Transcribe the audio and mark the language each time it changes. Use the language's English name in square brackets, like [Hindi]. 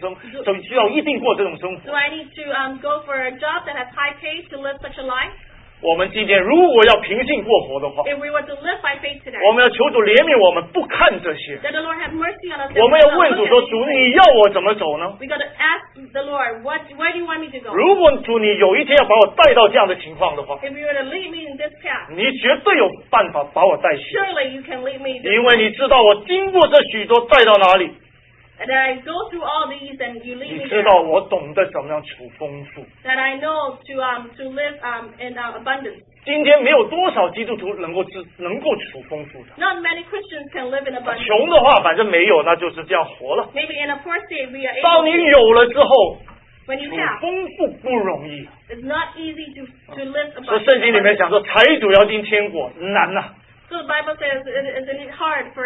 [Chinese] 那我是不是要一定要找么找一份高薪水的工作，我才能够过这种生，需要一定过这种生活？ [English] Do I need to go for a job that has high pay to live such a life? [Chinese] 我们今天如果要凭信过活的话， [English] if we were to live by faith today, [Chinese] 我们要求主怜悯我们，不看这些。 [English] Let the Lord have mercy on us. [Chinese] 我们要问主说，主你要我怎么走呢？ [English] We got to ask the Lord, where do you want me to go? [Chinese] 如果主你有一天要把我带到这样的情况的话， [English] if you were to lead me in this path, [Chinese] 你绝对有办法把我带去。 [English] Surely you can lead me. [Chinese] 因为你知道我经过这许多，带到哪里？ [English] And I go through all these and you lead me. [Chinese] 你知道我懂得怎么样求丰富。 [English] That I know to live in abundance. [Chinese] 今天没有多少基督徒能够吃能够储丰富的。 [English] Not many Christians can live in abundance. [Chinese] 穷的话反正没有，那就是这样活了。 [English] Maybe in a poor state we are able. [Chinese] 当你有了之后， [English] when you have, [Chinese] 储丰富不容易。 [English] It's not easy to live abundance. [Chinese] 所以圣经里面讲说，财主要进天国难呐。 [English] So the Bible says, isn't it hard for